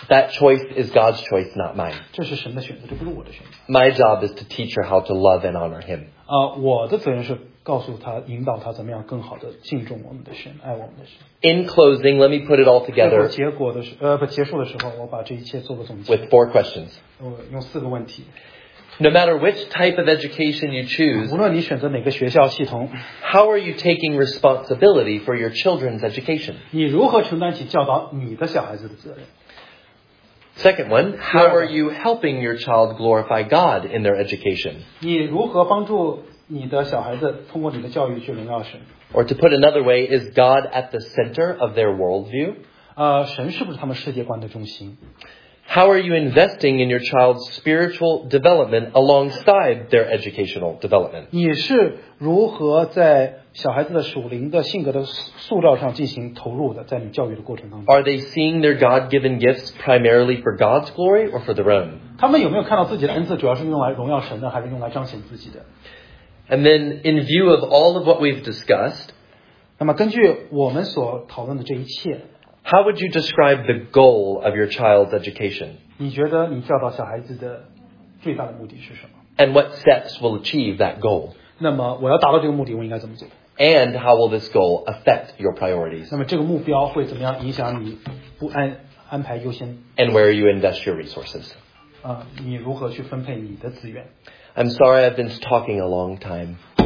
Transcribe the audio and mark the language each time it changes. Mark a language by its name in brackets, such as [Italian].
[English] That choice is God's choice, not mine. [Chinese] 这是神的选择，这不是我的选择。 [English] My job is to teach her how to love and honor Him. [Chinese] 我的责任是。告诉他，引导他怎么样更好的敬重我们的神，爱我们的神。 [English] In closing, let me put it all together. [Chinese] 结束的时候，我把这一切做个总结。 [English] With four questions. [Chinese] 用四个问题。 [English] No matter which type of education you choose, [Chinese] 无论你选择哪个学校系统 [English] ，How are you taking responsibility for your children's education? [Chinese] 你如何承担起教导你的小孩子的责任？ [English] Second one, how are you helping your child glorify God in their education? [Chinese] 你如何帮助你的小孩子通过你的教育去荣耀神 [English] ？Or to put another way, is God at the center of their worldview? [Chinese] 神是不是他们世界观的中心 [English] ？How are you investing in your child's spiritual development alongside their educational development? [Chinese] 你是如何在小孩子的属灵的性格的塑造上进行投入的，在你教育的过程当中。 [English] Are they seeing their God-given gifts primarily for God's glory or for their own? [Chinese] 他们有没有看到自己的恩赐主要是用来荣耀神的，还是用来彰显自己的 [English] ？And then, in view of all of what we've discussed, [Chinese] 那么根据我们所讨论的这一切 [English] ，How would you describe the goal of your child's education? [Chinese] 你觉得你教导小孩子的最大的目的是什么 [English] ？And what steps will achieve that goal? [Chinese] 那么我要达到这个目的，我应该怎么做 [English] ？And how will this goal affect your priorities? [Chinese] 那么这个目标会怎么样影响你不安排优先 [English] ？And where you invest your resources? [Chinese] 你如何去分配你的资源 [English] ？I'm sorry, I've been talking a long time.